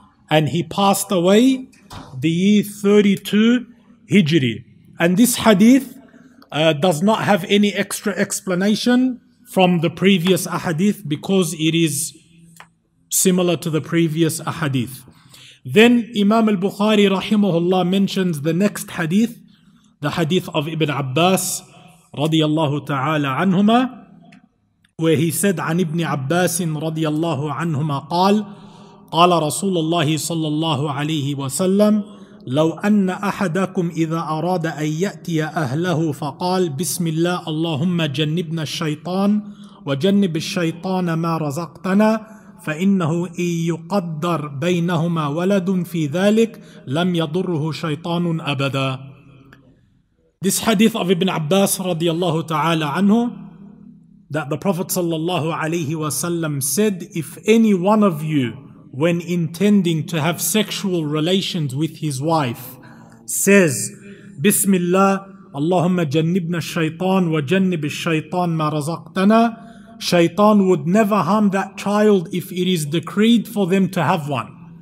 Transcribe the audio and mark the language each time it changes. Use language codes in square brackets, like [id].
[en] And he passed away the year 32 Hijri. And this hadith does not have any extra explanation from the previous ahadith, because it is similar to the previous ahadith. Then Imam Al-Bukhari rahimahullah mentions the next hadith, the hadith of Ibn Abbas radiyallahu ta'ala anhuma, where he said, [ar] عن ابن عباس radiyallahu anhuma قال قال رسول الله صلى الله عليه وسلم لو أن أحدكم إذا أراد أن يأتي أهله فقال بسم الله اللهم جنبنا الشيطان وجنب الشيطان ما رزقتنا فإنه إن يقدر بينهما ولد في ذلك لم يضره شيطان أبدا. [en] This hadith of Ibn Abbas radiallahu ta'ala anhu, that the Prophet sallallahu alayhi wa sallam said, if any one of you, when intending to have sexual relations with his wife, says, Bismillah, Allahumma jannibna shaytan wa jannib shaytan ma razaqtana, shaytan would never harm that child if it is decreed for them to have one.